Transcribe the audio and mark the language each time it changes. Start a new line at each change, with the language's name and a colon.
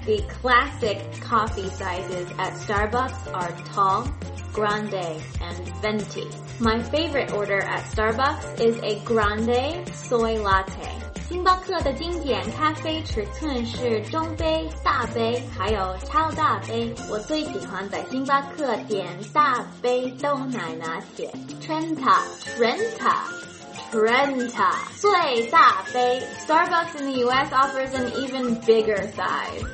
English: The classic coffee sizes at Starbucks are tall, grande and venti. My favorite order at Starbucks is a grande soy latte.
Chinese: 星巴克的经典咖啡尺寸是中杯、大杯还有超大杯。我最喜欢在星巴克点大杯豆奶拿铁。 Trenta, Trenta, Trenta, 最大杯。
English: Starbucks in the US offers an even bigger size.